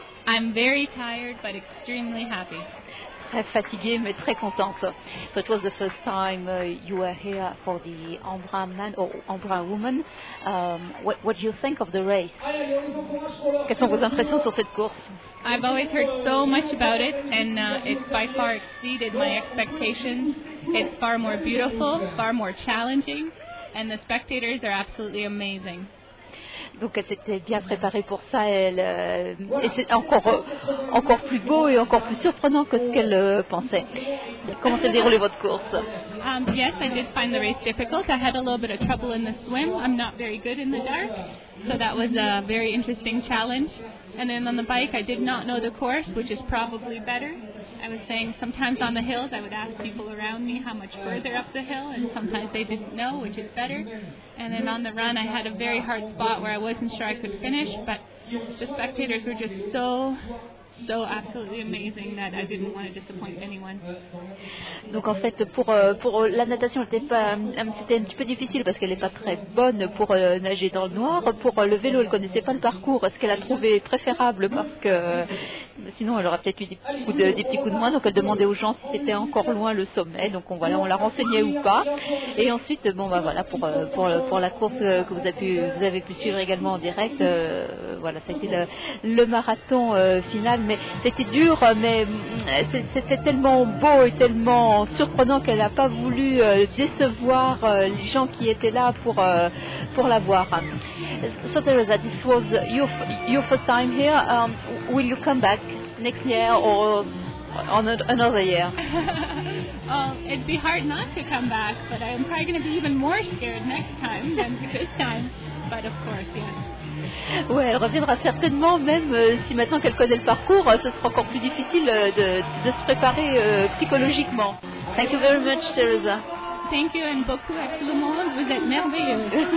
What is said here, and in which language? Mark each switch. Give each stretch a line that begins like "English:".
English: I'm very tired, but extremely happy.
French: Très fatiguée, mais très contente.
English: So it was the first time you were here for the Embrun Man or Embrun Woman. What do you think of the race?
French: Quelles sont vos impressions sur cette course?
English: I've always heard so much about it, and it by far exceeded my expectations. It's far more beautiful, far more challenging, and the spectators are absolutely amazing.
French: Donc elle s'était bien préparée pour ça, elle, et c'est encore plus beau et encore plus surprenant que ce qu'elle pensait. Comment s'est déroulée votre course?
English: Yes, I did find the race difficult. I had a little bit of trouble in the swim. I'm not very good in the dark, so that was a very interesting challenge. And then on the bike, I did not know the course, which is probably better. I was saying sometimes on the hills, I would ask people around me how much further up the hill, and sometimes they didn't know, which is better. And then on the run, I had a very hard spot where I wasn't sure I could finish, but the spectators were just so, so absolutely amazing that I didn't want to disappoint anyone.
French: Donc en fait, pour la natation, c'était un petit peu difficile parce qu'elle n'est pas très bonne pour nager dans le noir. Pour le vélo, elle ne connaissait pas le parcours. Est-ce qu'elle a trouvé préférable parce que sinon, elle aurait peut-être eu des petits coups de moins. Donc, elle demandait aux gens si c'était encore loin le sommet. Donc, on la renseignait ou pas. Et ensuite, pour la course que vous avez pu suivre également en direct, c'était le marathon final. Mais c'était dur, mais c'était tellement beau et tellement surprenant qu'elle n'a pas voulu décevoir les gens qui étaient là pour la voir.
English: So, Teresa, this was your first time here. Will you come back next year or on another year? It'd be hard not to come back, but I'm probably going to be even more scared next time than this time. But of course, yes.
French: Oui, elle reviendra certainement, même si maintenant qu'elle connaît le parcours, ce sera encore plus difficile de se préparer psychologiquement.
English: Thank you very much, Teresa. Thank you and
French: beaucoup à tout le monde. Vous êtes merveilleux.